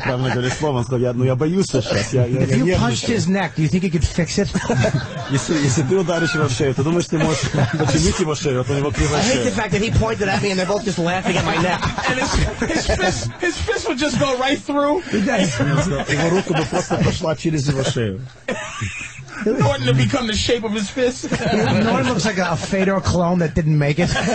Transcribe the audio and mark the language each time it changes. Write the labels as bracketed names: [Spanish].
[English] Okay. If you punched his neck, do you think he could fix it? I hate the fact that he pointed at me and they're both just laughing at my neck. And his fist would just go right through. [Russian] Его руку бы просто прошла через его шею. [English] Norton to become the shape of his fist. Norton looks like a Fedor clone that didn't make it.